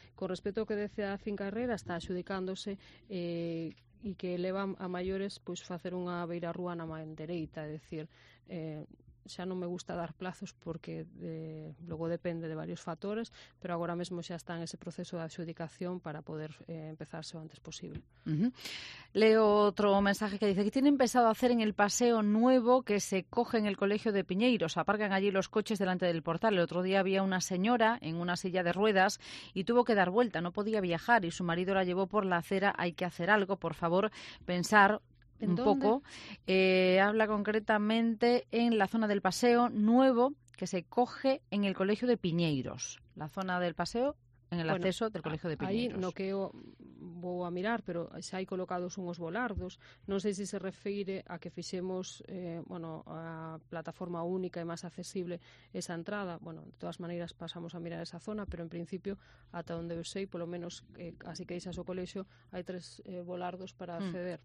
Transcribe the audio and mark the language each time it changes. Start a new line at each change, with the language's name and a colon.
Galician: Con respecto ao que dice a Finca Herrera, está adxudicándose e que leva a maiores pues facer unha beira rúa na man dereita, é dicir, xa non me gusta dar plazos porque logo depende de varios factores, pero agora mesmo xa está en ese proceso de adxudicación para poder empezarse o antes posible.
Spanish: Leo outro mensaje que dice que tienen pensado hacer en el paseo nuevo que se coge en el colegio de Piñeiros. Aparcan allí los coches delante del portal. El otro día había una señora en una silla de ruedas y tuvo que dar vuelta, no podía viajar y su marido la llevó por la acera. Hay que hacer algo, por favor, pensar un ¿dónde? Poco, habla concretamente en la zona del paseo nuevo que se coge en el colegio de Piñeiros, la zona del paseo en el acceso del colegio de Piñeiros.
Galician: Ahí no queo, vou a mirar, pero xa hai colocados unhos bolardos. Non sei se se refire a que fixemos a plataforma única e máis accesible esa entrada. Bueno, de todas maneiras, pasamos a mirar esa zona, pero en principio, ata onde eu sei, polo menos, así que deixas o colexo, hai tres bolardos para acceder.